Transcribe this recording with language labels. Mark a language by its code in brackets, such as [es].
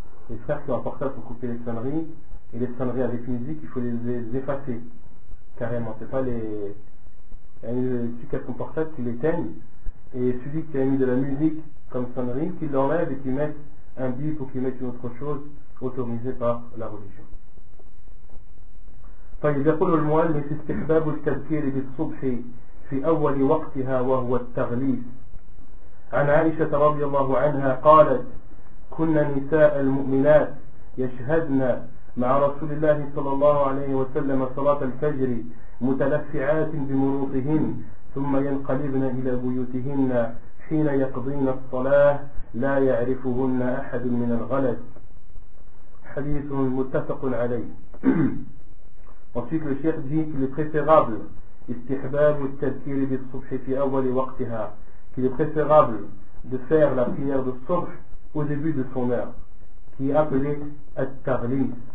[fr] Les frères qui ont apporté pour couper les sonneries, et les sonneries avec musique, il faut les effacer carrément. C'est pas les. Celui qui a son portable, qui l'éteigne, et celui qui a mis de la musique comme sonnerie, qui l'enlève et qui met un bip ou qui met une autre chose autorisée par la religion. [ar] طيب يقول الموالد في استحباب التذكير بالصبح في أول وقتها وهو التغليف. عن عائشة رضي الله عنها قالت: كنا نساء المؤمنات يشهدن مع رسول الله صلى الله عليه وسلم صلاة الفجر متلفعات بمروطهن، ثم ينقلبن إلى بيوتهن حين يقضين الصلاة لا يعرفهن أحد من الغلس. حديث متفق عليه. [fr] Ensuite, le cheikh dit qu'il est préférable, istihbab ou [ar] tadkir bi subh fi awwal waqtiha, [fr] qu'il est préférable de faire la prière de subh au début de son heure, qui est appelée at-taghlib.